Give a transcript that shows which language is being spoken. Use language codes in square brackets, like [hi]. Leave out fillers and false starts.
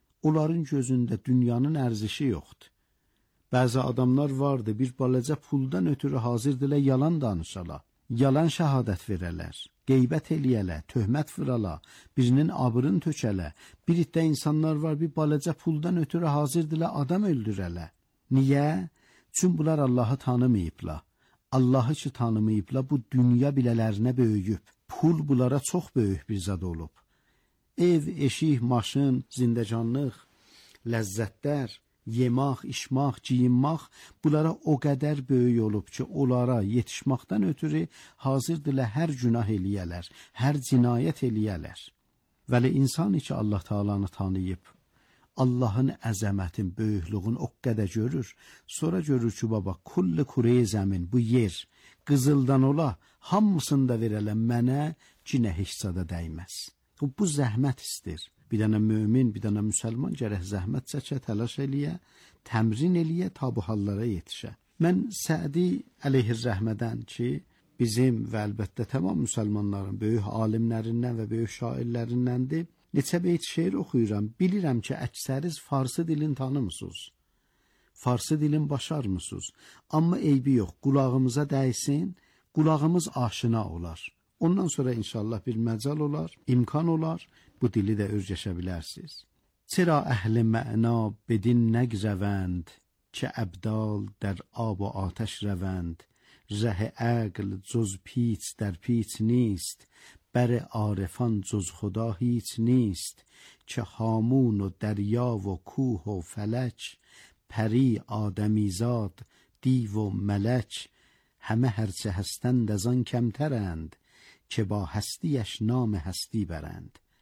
[az] Onların gözündə dünyanın ərzişi yoxdur. Bəzi adamlar vardı, bir balaca puldan ötürü hazırdılar yalan danışala, yalan şəhadət verələr, qeybət eləyələ, töhmət vırala, birinin abırın tökələ, bir itdə insanlar var, bir balaca puldan ötürü hazırdılar adam öldürələ. Niyə? Çün bunlar Allahı tanımayıbla. Allahı ki tanımayıbla, bu dünya bilələrinə böyüyüb. Pul bunlara çox böyük bir zad olub. Ev, eşik, maşın, zindəcanlıq, ləzzətlər, yemaq, içmaq, giyinmaq bunlara o qədər böyük olub ki, onlara yetişməkdən ötürü hazırdırlar hər günah eləyələr, hər cinayət eləyələr. Vəli insan içi Allah Taalanı tanıyıb, Allahın əzəmətin, böyüklüğün o qədər görür, sonra görür ki, baba, kulli kurey zəmin, bu yer, qızıldan ola, hamısını da verələn mənə cinə heçsada dəyməz. Bu zəhmət istir. Bir dənə mümin, bir dənə müsəlman gərək zəhmət çəkə, təlaş eləyə, təmrin eləyə, tabuhallara yetişə. Mən Sədi əleyhirrəhmədən ki, bizim və əlbəttə tamam müsəlmanların böyük alimlərindən və böyük şairlərindəndir. Neçə beyt şeir oxuyuram, bilirəm ki, əksəriz farsı dilin tanımısınız. Farsı dilin başarmısınız. Amma eybi yox, qulağımıza dəysin, qulağımız aşina olar. Ondan sonra inşallah bir məcal olar, imkan olar, bu dili də öyrəşə bilərsiniz. [fa] Çıra əhli məna bedin nəq rəvənd, ki əbdal dər ab o atəş rəvənd, zəhə əql coz piç dər piç nist, بر عارفان جز خدا هیچ نیست، چه هامون و دریا و کوه و فلچ، پری آدمیزاد دیو و ملچ، همه هرچه هستند از آن کمترند، که با هستیش نام هستی برند.